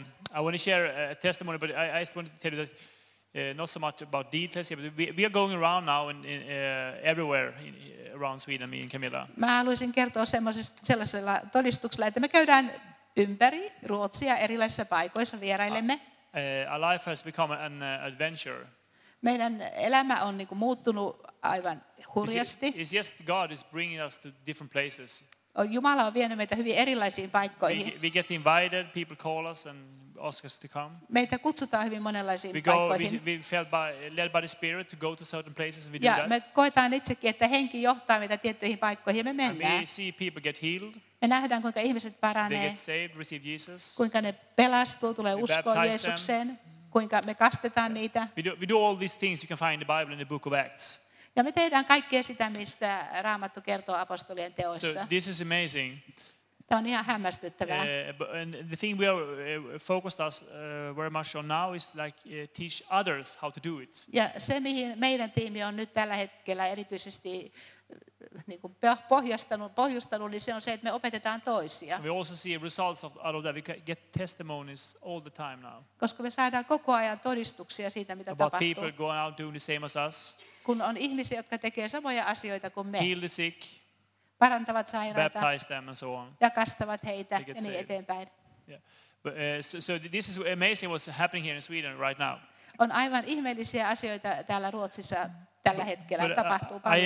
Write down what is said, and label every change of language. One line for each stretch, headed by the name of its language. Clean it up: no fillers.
English: I want to share a testimony, but I just want to tell you that not so much about details here, but we are going around now everywhere around Sweden, me and Camilla.
Finnish: Mä haluaisin kertoa sellaisella todistuksella, että me käydään ympäri Ruotsia erilaisissa paikoissa vierailemme.
English: Our life has become an adventure.
Finnish: Meidän elämä on niinku muuttunut aivan hurjasti.
English: It's just God is bringing us to different places.
Finnish: Jumala on vienyt meitä hyvin erilaisiin paikkoihin.
English: We get invited, people call us and ask us to come.
Finnish: Meitä kutsutaan hyvin monenlaisiin paikkoihin.
English: We felt led by the Spirit to go to certain places and we do that.
Finnish: Me koetaan itsekin, että henki johtaa meitä tiettyihin paikkoihin ja me mennään.
English: And we see people get healed.
Finnish: Me nähdään, kuinka ihmiset paranee,
English: saved, Jesus,
Finnish: kuinka ne pelastuu, tulee uskoon Jeesukseen, kuinka me kastetaan niitä.
English: We do all these things you can find in the Bible in the book of Acts.
Finnish: Ja me tehdään kaikkea sitä, mistä Raamattu kertoo apostolien teoissa.
English: So this is amazing.
Finnish: Tämä on ihan hämmästyttävää.
English: And the thing we are focused us very much on now is like teach others how to do it.
Finnish: Ja se, mihin meidän tiimi on nyt tällä hetkellä erityisesti niin kuin pohjustanut, niin se on se, että me opetetaan toisia.
English: We also see results out of that. We get testimonies all the time now.
Finnish: Koska me saadaan koko ajan todistuksia siitä, mitä
English: about
Finnish: tapahtuu.
English: People going out doing the same as us.
Finnish: Kun on ihmisiä, jotka tekee samoja asioita kuin me.
English: Heal the sick.
Finnish: Parantavat sairaita.
English: Baptize them and so on.
Finnish: Ja kastavat heitä ja niin saved. Eteenpäin.
English: Yeah. But this is amazing what's happening here in Sweden right now.
Finnish: On aivan ihmeellisiä asioita täällä Ruotsissa. Tällä hetkellä tapahtuu paljon.